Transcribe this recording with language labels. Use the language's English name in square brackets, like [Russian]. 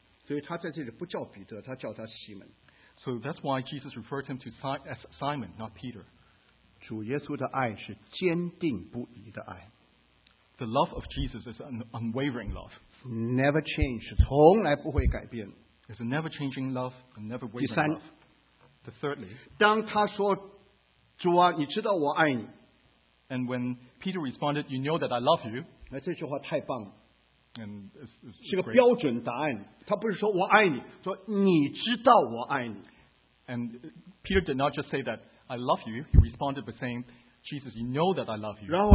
[Chinese] 所以他在这里不叫彼得，他叫他西门。 [English] So that's why Jesus referred him to as Simon, not Peter. [Chinese] 主耶稣的爱是坚定不移的爱。 [English] The love of Jesus is an unwavering love. Never change, [Chinese] 从来不会改变。 [English] It's a never changing love, a never wavering love. [Chinese] 第三, [English] thirdly, [Chinese] 当他说，主啊，你知道我爱你。 [English] And when Peter responded, you know that I love you. [Chinese] 那这句话太棒了。 [English] And [Chinese] it's 是个标准答案，他不是说我爱你，说你知道我爱你。 [English] And Peter did not just say that I love you. He responded by saying, "Jesus, you know that I love you."